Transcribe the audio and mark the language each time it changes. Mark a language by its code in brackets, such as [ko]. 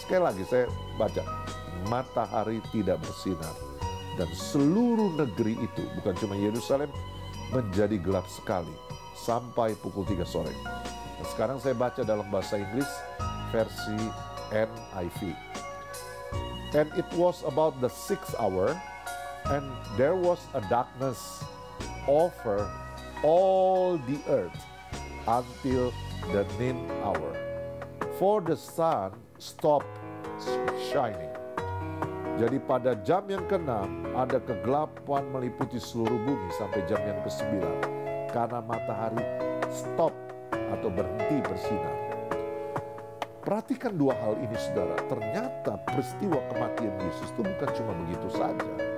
[id] Sekali lagi saya baca, matahari tidak bersinar. Dan seluruh negeri itu, bukan cuma Yerusalem, menjadi gelap sekali sampai pukul 3 sore. Nah, sekarang saya baca dalam bahasa Inggris versi NIV. [en] And it was about the 6th hour and there was a darkness over all the earth until the 9th hour. For the sun stopped shining. [id] Jadi pada jam yang ke-6 ada kegelapan meliputi seluruh bumi sampai jam yang ke-9 karena matahari stop atau berhenti bersinar. Perhatikan dua hal ini saudara, ternyata peristiwa kematian Yesus itu bukan cuma begitu saja.